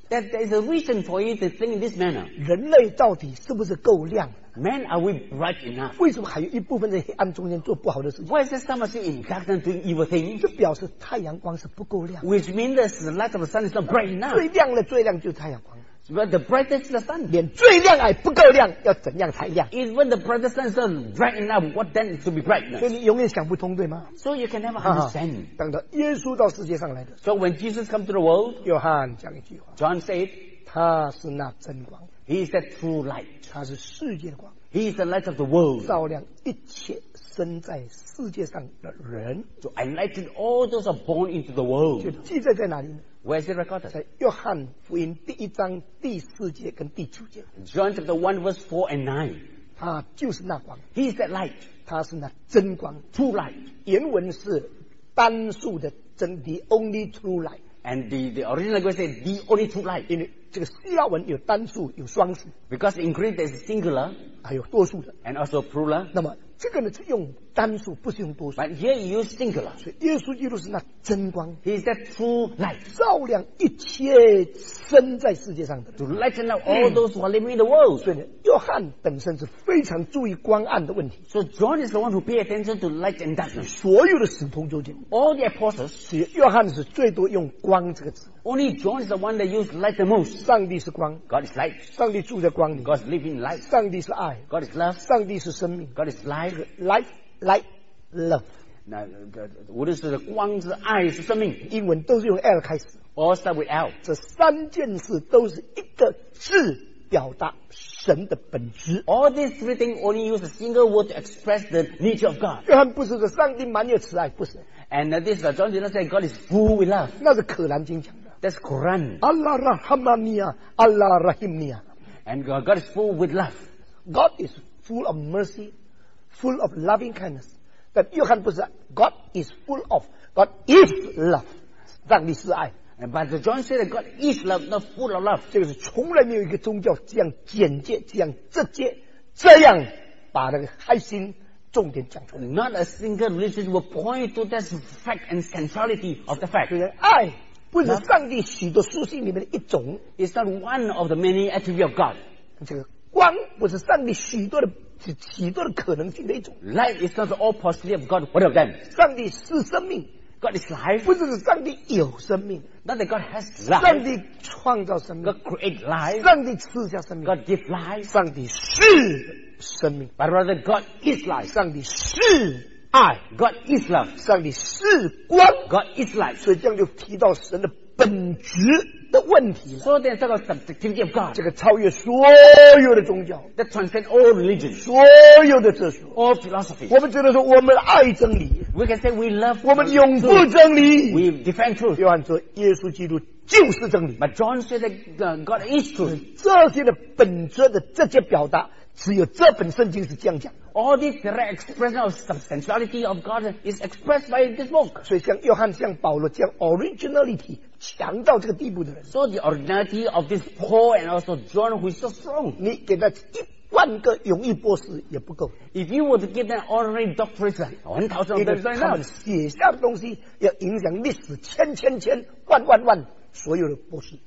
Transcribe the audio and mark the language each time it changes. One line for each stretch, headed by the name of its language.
English: That there is a reason for you to think in this manner.
Chinese: 人类到底是不是够亮
English: ？Man, are we bright enough?
Chinese: 为什么还有一部分在黑暗中间做不好的事情
English: ？Why is there some of you in darkness doing evil things?
Chinese: 这表示太阳光是不够亮。
English: Which means the light of the sun is not bright enough.
Chinese: 最亮的最亮就是太阳光。
English: But the brightest the sun.
Chinese: 连最亮还不够亮，要怎样才亮
English: ？Even the brightest sun bright enough, what then to be brightness?
Chinese: 所以你永远想不通，对吗
English: ？So you can never understand.
Chinese: 等到耶稣到世界上来的。
English: So when Jesus come to the world,
Chinese: John 讲一句话。
English: John said,
Chinese: 他是那真光。
English: He is the true light.
Chinese: 他是世界的光。
English: He is the light of the world.
Chinese: 照亮一切生在世界上的人。
English: So enlighten all those who are born into the world.
Chinese: 就记载在哪里呢？
English: Where is it recorded?
Chinese: 在约翰福音第一章第四节跟第九节。
English: John chapter 1 verse 4 and 9.
Chinese: 他就是那光。
English: He is that light.
Chinese: 他是那真光。
English: True light.
Chinese: 原文是单数的真
English: the only true light. And the original Greek says the only true light.
Chinese: 因为这个希腊文有单数有双数。
English: Because in Greek there is singular.
Chinese: 还有多数的。
English: And also plural.
Chinese: 那么这个呢是用单数，不是用多数。
English: But here you use singular.
Chinese: 所以耶稣基督是那真光。
English: He is that true light.
Chinese: 照亮一切生在世界上的人。
English: To lighten up all those who are living in the world.
Chinese: 所以约翰本身是非常注意光暗的问题。
English: So John is the one who pay attention to light and darkness.
Chinese: 所有的使徒中间。
English: All the apostles.
Chinese: 所以约翰是最多用光这个字。
English: Only John is the one that used light the most.
Chinese: 上帝是光。
English: God is light.
Chinese: 上帝住在光里。
English: God is living light.
Chinese: 上帝是爱。
English: God is love.
Chinese: 上帝是生命。
English: God is life. 这个 life, light, love.
Chinese: 那个无论是光是爱是生命，英文都是用 L 开始。
English: All start with L.
Chinese: 这三件事都是一个字表达神的本质。
English: All these three things only use a single word to express the nature of God.
Chinese: 约翰不是说上帝满有慈爱，不是。
English: And this John did not say God is full with love.
Chinese: 那是可兰经讲。
English: That's Quran.
Arabic: Allah rahmaniya, Allah rahimniya.
English: And God is full with love. God is full of mercy, full of loving kindness. That you can put God is full of. God is love.
Chinese: 上帝是爱。
English: But John said that God is love, not full of love.
Chinese: 这个是从来没有一个宗教这样简洁、这样直接、这样把那个核心重点讲出来。
English: Not a single religion will point to this fact and centrality of the fact.
Chinese: 爱。不是上帝许多属性里面的一种
English: It's not one of the many attributes of God
Chinese: 这个光不是上帝许多的许多的可能性的一种
English: Light is not all possibility of God one of them
Chinese: 上帝是生命
English: God is life
Chinese: 不是上帝有生命
English: Not that God has life
Chinese: 上帝创造生命
English: God create life
Chinese: 上帝赐下生命
English: God give life
Chinese: 上帝是生命
English: But rather God is life
Chinese: 上帝是爱
English: God is love
Chinese: 上帝是光
English: God is light
Chinese: 所以这样就提到神的本质的问题了
English: So then 这个 subjectivity of God
Chinese: 这个超越所有的宗教
English: That transcends all religions
Chinese: 所有的哲学
English: All philosophy
Chinese: 我们只能说我们爱真理
English: We can say we love
Chinese: 我们拥护真理
English: We defend truth
Chinese: 约翰说耶稣基督就是真理
English: But John said that God is truth
Chinese: 这些的本质的这些表达只有这本圣经是这样讲
English: All this direct expression of substantiality of God is expressed by this book
Chinese: 所以像约翰像保罗这样 originality 强到这个地步的人
English: So the originality of this Paul and also John who is so strong
Chinese: 你给他一万个荣誉博士也不够
English: If you were to give them honorary doctorates 1,000 of them
Chinese: 因为他们写下的东西要影响历史千千千万万万所有的博士